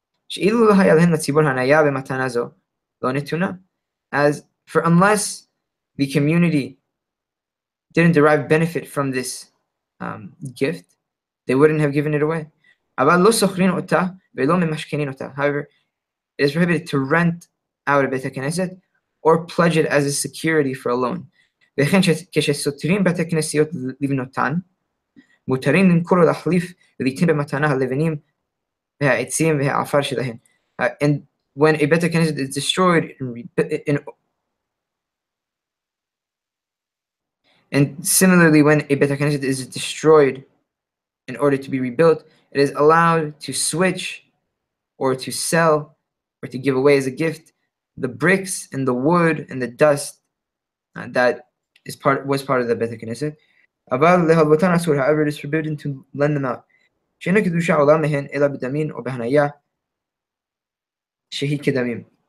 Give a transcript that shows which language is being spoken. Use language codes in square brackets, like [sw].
[he] שאילו לא היה להן לציבור הנאה במתנה זו, לא נתונה. [en] As for unless the community didn't derive benefit from this gift, they wouldn't have given it away. [he] אבל לא סוחרין אותה ולא ממשכנין אותה. [en] However, it is prohibited to rent out a בית הכנסת or pledge it as a security for a loan. [he] וכן כשסותרים בית הכנסיות לבנותן, מותרים למכור ולהחליף וליתן במתנה הלבנים והעצים והעפר שלהן. [en] And when a בית הכנסת is destroyed and similarly when a בית הכנסת is destroyed in order to be rebuilt, it is allowed to switch or to sell or to give away as a gift the bricks and the wood and the dust that is part was part of the Beit HaKnesset. [he] אבל להלוותן אסור, [en] however, it is forbidden to lend them out. [he] שאין הקדושה עולה מהן אלא בדמין או בהניה שהיא כדמים.